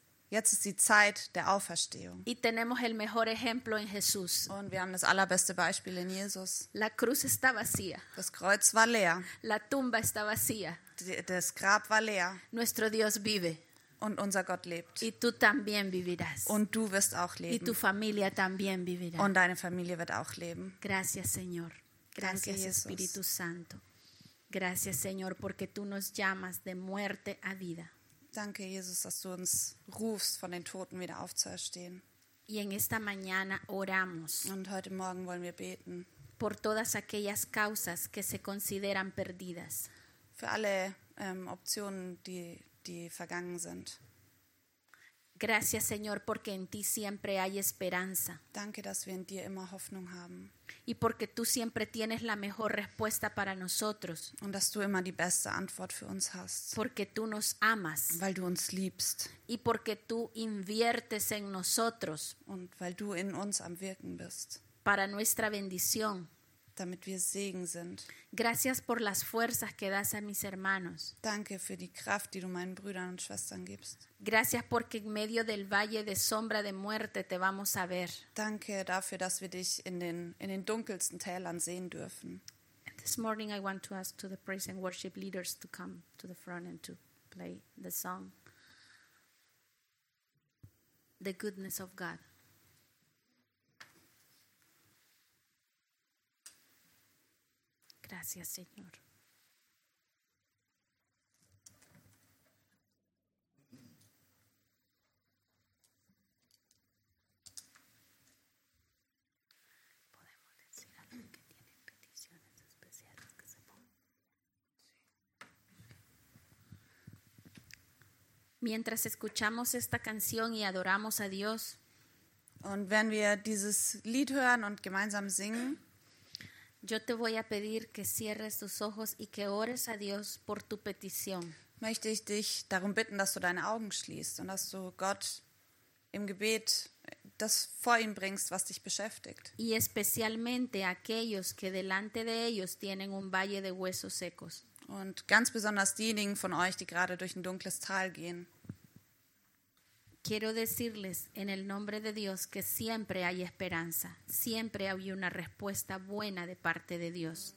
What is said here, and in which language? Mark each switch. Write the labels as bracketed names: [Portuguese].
[German] Jetzt ist die Zeit der Auferstehung. [Spanish] Y tenemos el mejor ejemplo en Jesús. [German] Und wir haben das allerbeste Beispiel in Jesus. [Spanish] La cruz está vacía. [German] Das Kreuz war leer. [Spanish] La tumba está vacía. [German] Das Grab war leer. [Spanish] Nuestro Dios vive. [German] Und unser Gott lebt. [Spanish] Y tú también vivirás. [German] Und du wirst auch leben. [Spanish] Y tu familia también vivirá. [German] Und deine Familie wird auch leben. [Spanish] Gracias, Señor. Gracias, [German] danke, Jesus. [Spanish] Espíritu Santo. Gracias, Señor, porque tú nos llamas de muerte a vida. [German] Danke, Jesus, dass du uns rufst, von den Toten wieder aufzuerstehen. [Spanish] Y en esta mañana oramos. [German] Und heute Morgen wollen wir beten. [Spanish] Por todas aquellas causas que se consideran perdidas. [German] Für alle Optionen, die vergangen sind. [Spanish] Gracias, Señor, porque en ti siempre hay esperanza. [German] Danke, dass wir in dir immer Hoffnung haben. [Spanish] Y porque tú siempre tienes la mejor respuesta para nosotros. [German] Und dass du immer die beste Antwort für uns hast. [Spanish] Porque tú nos amas. [German] Weil du uns liebst. [Spanish] Y porque tú inviertes en nosotros. [German] Und weil du in uns am Wirken bist. [Spanish] Para nuestra bendición. [German] damit wir Segen sind. [Spanish] Gracias por las fuerzas que das a mis hermanos. [German] Danke für die Kraft, die du meinen Brüdern und Schwestern gibst. [Spanish] Gracias porque en medio del valle de sombra de muerte te vamos a ver. [German] Danke dafür, dass wir dich in den dunkelsten Tälern sehen dürfen. [English] This morning I want to ask to the praise and worship leaders to come to the front and to play the song. The goodness of God. [Spanish] Gracias, Señor. Mientras escuchamos esta canción y adoramos a Dios, [German] und wenn wir dieses Lied hören und gemeinsam singen, [Spanish] yo te voy a pedir que cierres tus ojos y que ores a Dios por tu petición. [German] Möchte ich dich darum bitten, dass du deine Augen schließt und dass du Gott im Gebet das vor ihm bringst, was dich beschäftigt. [Spanish] Y especialmente aquellos que delante de ellos tienen un valle de huesos secos. [German] Und ganz besonders diejenigen von euch, die gerade durch ein dunkles Tal gehen. [Spanish] Quiero decirles en el nombre de Dios que siempre hay esperanza, siempre hay una respuesta buena de parte de Dios.